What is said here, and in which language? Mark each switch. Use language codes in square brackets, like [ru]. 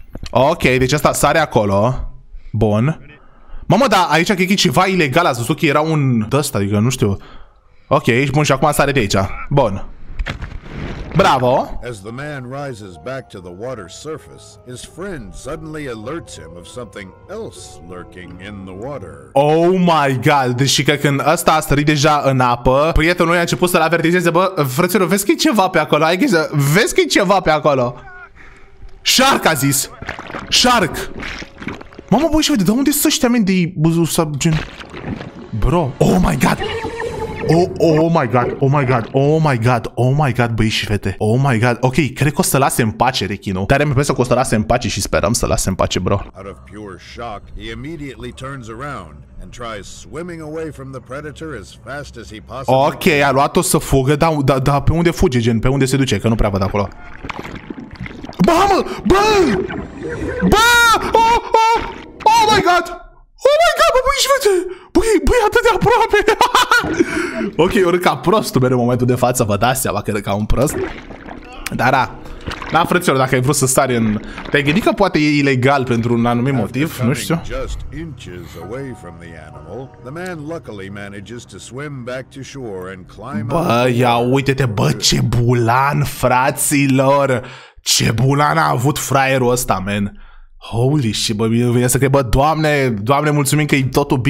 [ro] Ok, deci ăsta sare acolo. Bun. Mamă, dar aici cred că e ceva ilegal, ați văzut că era un ăsta, adică nu știu. Ok, bun, și acum sare de aici. Bun. Bravo. [en] As the man rises back to the water surface, his friend suddenly alerts him of something else lurking in the water. [ro] Oh my god, deci că când ăsta a sărit deja în apă, prietenul lui a început să-l avertizeze, bă, frățelor, vezi că e ceva pe acolo, ai grijă, vezi că e ceva pe acolo. Shark, a zis. Shark. Mamă, băi, și vede, de unde sunt ăștia, men, de-i buzusab, gen... Bro, [en] oh my god! Oh my god, [ro] băi și fete. [en] Oh my god. [ro] Ok, cred că o să lase în pace rechinul. Dar am impresia că o să lase în pace și sperăm să lase în pace, bro. [en] Out of pure shock, he immediately turns around and tries swimming away from the predator as fast as he possibly. [ro] Ok, a luat-o să fugă, dar pe unde fuge, gen, pe unde se duce, că nu prea văd acolo. Mamă, bă! Bă! Oh, oh! [en] Oh my god! Oh my god, [ro] bă, băi, și vede! Băi, atât de aproape! Ok, eu râd ca prostul mereu în momentul de față, vă dați seama că râd ca un prost. Dar, da, frățelor, dacă ai vrut să sari în... Te-ai gândit că poate e ilegal pentru un anumit motiv? Nu știu. [en] Just inches away from the animal, the man luckily manages to swim back to shore and climb up. [ro] Bă, ia uite-te, bă, ce bulan, fraților! Ce bulan a avut fraierul ăsta, man. [en] Holy shit, [ro] bă, mi-e vine să cred, bă, doamne, doamne, mulțumim că e totul bine.